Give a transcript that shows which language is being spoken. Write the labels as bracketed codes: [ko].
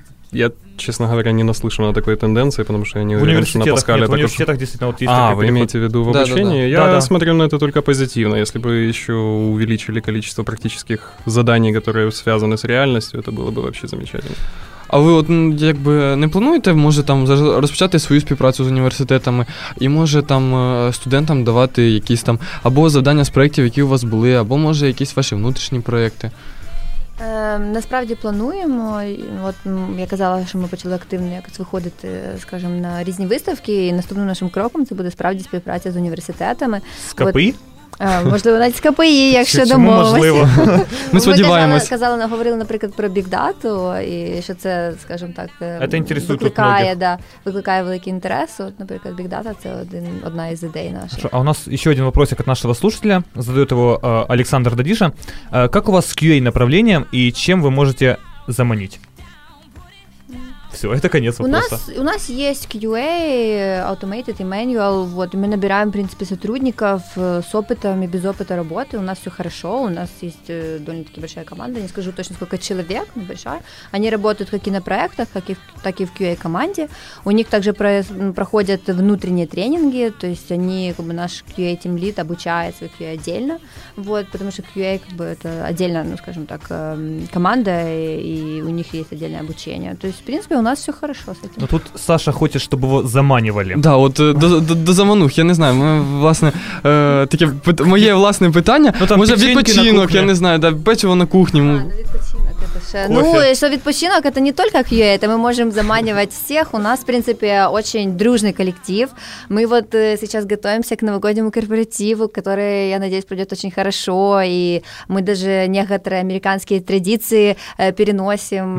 [ru] Я, честно говоря, не наслышан о такой тенденции, потому что я не уверен, что на Паскале... Нет, в университетах действительно вот есть... А, вы имеете в виду в обучении? Да, да, да. Я смотрю на это только позитивно. Если бы еще увеличили количество практических заданий, которые связаны с реальностью, это было бы вообще замечательно. [uk] А ви от якби не плануєте, може там розпочати свою співпрацю з університетами, і може там студентам давати якісь там або завдання з проєктів, які у вас були, або може якісь ваші внутрішні проєкти? Насправді плануємо. От я казала, що ми почали активно якось виходити, скажімо, на різні виставки, і наступним нашим кроком це буде справді співпраця з університетами. З КПІ? Можливо, навіть з КПІ, якщо домовимося. Ми сподіваємося. Ми казали, говорили, наприклад, про бікдату, і що це, скажімо так, це інтересує викликає, да, викликає великий інтерес. От, наприклад, бікдата – це одна із ідей наших. А у нас ще один вопросик від нашого слушателя. Задає його Олександр Дадіша. Як у вас з QA направлением і чим ви можете заманити? [ru] Все, это конец вопроса. У нас есть QA, Automated и Manual. Вот, мы набираем, в принципе, сотрудников с опытом и без опыта работы. У нас все хорошо. У нас есть довольно-таки большая команда. Не скажу точно, сколько человек, но большая. Они работают как и на проектах, так и в QA-команде. У них также проходят внутренние тренинги. То есть они, как бы, наш QA-тимлид обучает свой QA отдельно. Вот, потому что QA, как бы, это отдельно, ну, скажем так, команда, и у них есть отдельное обучение. То есть, в принципе, у нас все хорошо с этим. Но тут Саша хочет, чтобы его заманивали. Да, вот до заманух, я не знаю. [uk] Мы, власне, таке, моє власне питання. Ну, там, може, відпочинок, я не знаю, да, печиво на кухні. [ru] А, ну, відпочинок, это же. Ну, что відпочинок, это не только QA, это мы можем заманивать всех. У нас, в принципе, очень дружный коллектив. Мы вот сейчас готовимся к новогоднему корпоративу, который, я надеюсь, пройдет очень хорошо. И мы даже некоторые американские традиции переносим.